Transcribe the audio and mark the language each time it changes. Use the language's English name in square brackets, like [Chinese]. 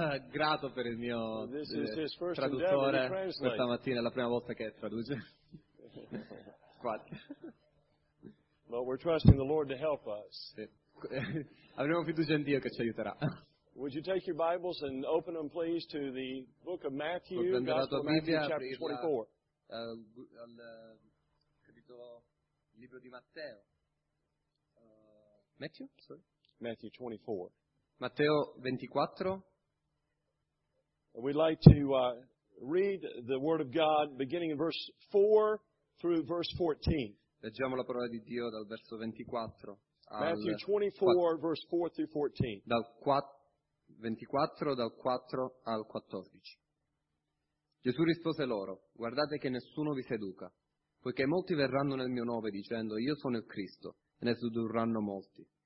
[Italian] Grato per il mio traduttore questa mattina, è la prima volta che traduce. [English] But we're trusting the Lord to help us. [Italian] Avremo fiducia in Dio che ci aiuterà. [English] Would you take your Bibles and open them, please, to the book of Matthew, Gospel of Matthew, chapter 24. [Italian] Al capitolo libro di Matteo. [English] Matthew? Sorry. Matthew 24. [Italian] Matteo 24. [English] We'd like to read the Word of God beginning in verse 4 through verse 14. [Italian] Leggiamo la parola di Dio dal verso 24. [English] Matthew 24, verse 4 through 14. [Italian] Dal 4 al 14. Gesù rispose loro, guardate che nessuno vi seduca, poiché molti verranno nel mio nome dicendo, io sono il Cristo, e ne sedurranno molti.